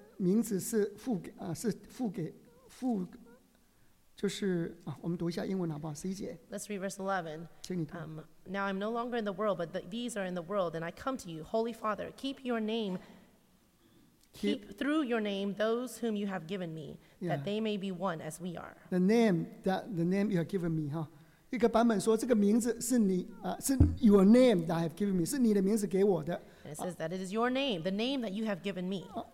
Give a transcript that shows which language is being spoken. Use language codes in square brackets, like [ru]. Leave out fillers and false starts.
[zh] 这个谈到这个名字是父给。就是我们读一下英文好不好? 11节。 [en] Let's read verse 11. Now I'm no longer in the world, but these are in the world, and I come to you, Holy Father. Keep your name, keep through your name those whom you have given me, that they may be one as we are. The name you have given me, huh? [zh] 一个版本说这个名字是你是 [en] your name that I have given me, [zh] 是你的名字给我的。 [en] And it says that it is your name, the name that you have given me.